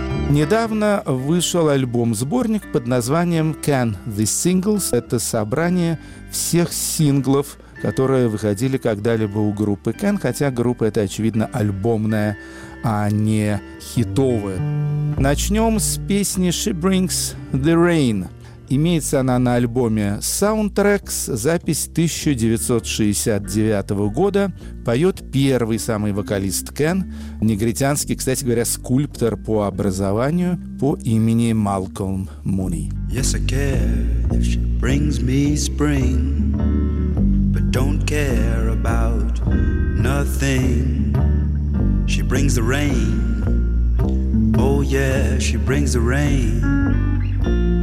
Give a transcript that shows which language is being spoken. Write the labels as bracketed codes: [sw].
[ru] Недавно вышел альбом-сборник под названием «Can the Singles». Это собрание всех синглов, которые выходили когда-либо у группы «Can», хотя группа эта, очевидно, альбомная, а не хитовая. Начнем с песни «She Brings the Rain». Имеется она на альбоме «Soundtracks», запись 1969 года. Поет первый самый вокалист «Can», негритянский, кстати говоря, скульптор по образованию, по имени Малком Муни. [en] Yes, I care if she brings me spring, but don't care about nothing. She brings the rain, oh yeah, she brings the rain.